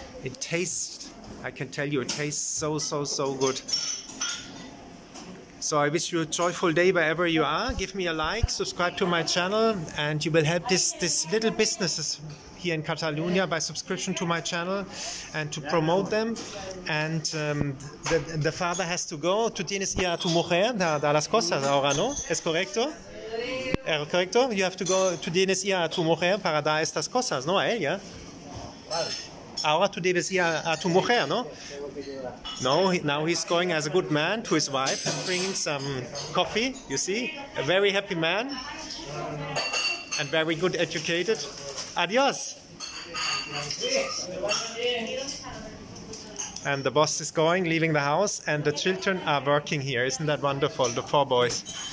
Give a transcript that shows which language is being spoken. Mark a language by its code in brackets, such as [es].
[en] It tastes, I can tell you, it tastes so, so, so good. So I wish you a joyful day wherever you are. Give me a like, subscribe to my channel, and you will help this little businesses here in Catalonia by subscription to my channel and to promote them. And the father has to go. [es] Tú tienes ya tu mujer, da las cosas ahora, ¿no? ¿Es correcto? ¿Es correcto? [en] You have to go. [es] Tú tienes ya tu mujer para dar estas cosas, ¿no? A ella. Ahora tú debes ir a tu mujer, ¿no? [en] No, now he's going as a good man to his wife and bringing some coffee, you see? A very happy man and very good educated. Adios! And the boss is going, leaving the house, and the children are working here. Isn't that wonderful? The four boys.